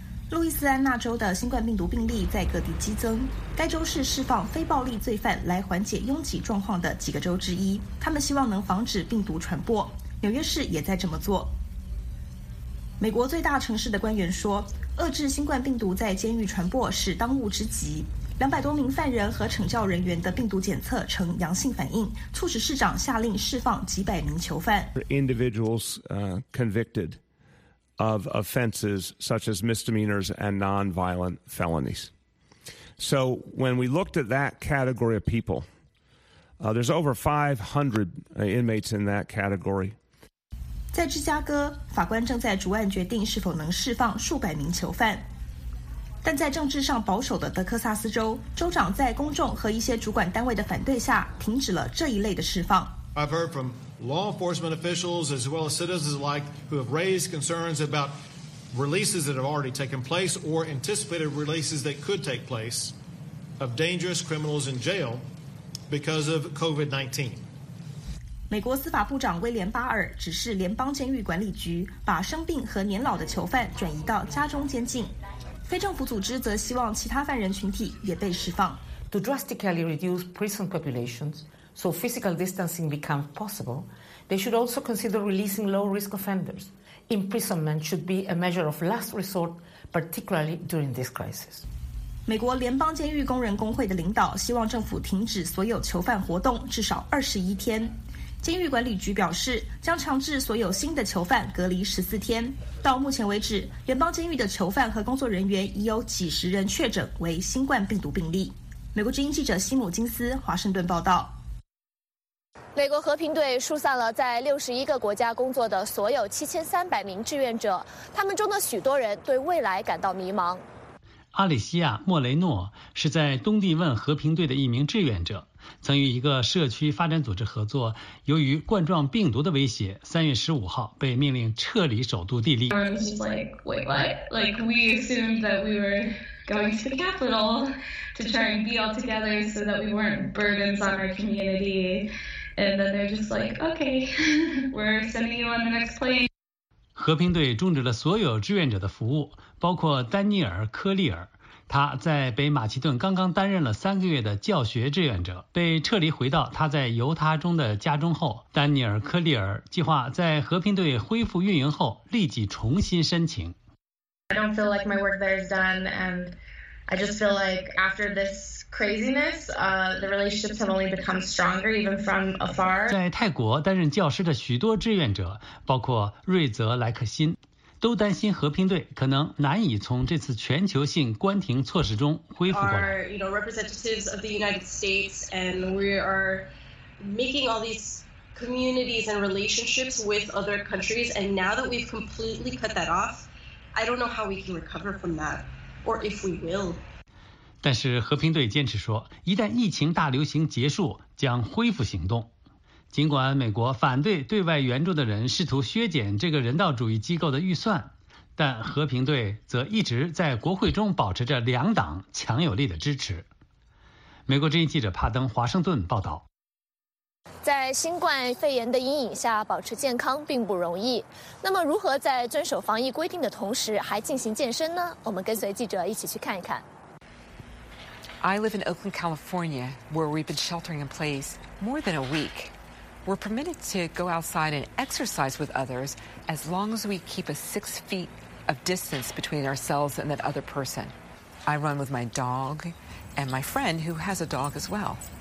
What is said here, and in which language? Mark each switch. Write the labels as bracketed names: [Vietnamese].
[Chinese] 路易斯安那州的新冠病毒病例在各地激增，该州是释放非暴力罪犯来缓解拥挤状况的几个州之一，他们希望能防止病毒传播。纽约市也在这么做。美国最大城市的官员说，遏制新冠病毒在监狱传播是当务之急。 200多名犯人和惩教人员的病毒检测呈阳性反应，促使市长下令释放几百名囚犯。 [English] Individuals convicted of offenses such as misdemeanors and nonviolent felonies. So when we looked at that category of people, there's over 500 inmates in that category. [Chinese] 在芝加哥，法官正在逐案决定是否能释放数百名囚犯。但在政治上保守的德克萨斯州，州长在公众和一些主管单位的反对下，停止了这一类的释放。 [English] I've heard from law enforcement officials as well as citizens alike who have raised concerns about releases that have already taken place or anticipated releases that could take place of dangerous criminals in jail because of COVID-19. [Chinese] 美国司法部长威廉·巴尔指示联邦监狱管理局把生病和年老的囚犯转移到家中监禁。非政府组织则希望其他犯人群体也被释放。 [English] To drastically reduce prison populations so physical distancing becomes possible, they should also consider releasing low-risk offenders. Imprisonment should be a measure of last resort, particularly during this crisis. [Chinese] 美国联邦监狱工人工会的领导希望政府停止所有囚犯活动至少21天。监狱管理局表示，将强制所有新的囚犯隔离14天。到目前为止，联邦监狱的囚犯和工作人员已有几十人确诊为新冠病毒病例。美国之音记者西姆金斯，华盛顿报道。美国和平队疏散了在61个国家工作的所有7300名志愿者，他们中的许多人对未来感到迷茫。阿里西亚·莫雷诺是在东帝汶和平队的一名志愿者，曾与一个社区发展组织合作，由于冠状病毒的威胁，3月15号被命令撤离首都地利。 [English] I was like, wait, what? Like, we assumed that we were going to the capital to try and be all together so that we weren't burdens on our community. And then they're just like, okay, we're sending you on the next plane. [Chinese] 和平队终止了所有志愿者的服务，包括丹尼尔·科利尔，他在北马其顿刚刚担任了3个月的教学志愿者，被撤离回到他在犹他州的家中后，丹尼尔·科利尔计划在和平队恢复运营后立即重新申请。 [English] I don't feel like my work there is done, and I just feel like after this craziness, the relationships have only become stronger, even from afar. [Chinese] 在泰国担任教师的许多志愿者，包括瑞泽·莱克辛，都担心和平队可能难以从这次全球性关停措施中恢复过来。 [English] We are, you know, representatives of the United States, and we are making all these communities and relationships with other countries. And now that we've completely cut that off, I don't know how we can recover from that, or if we will. [Chinese] 但是和平队坚持说，一旦疫情大流行结束，将恢复行动。尽管美国反对对外援助的人试图削减这个人道主义机构的预算，但和平队则一直在国会中保持着两党强有力的支持。美国之音记者帕登，华盛顿报道。在新冠肺炎的阴影下，保持健康并不容易。那么，如何在遵守防疫规定的同时还进行健身呢？我们跟随记者一起去看一看。 [English] I live in Oakland, California, where we've been sheltering in place more than a week. We're permitted to go outside and exercise with others as long as we keep a 6 feet of distance between ourselves and that other person. I run with my dog and my friend who has a dog as well.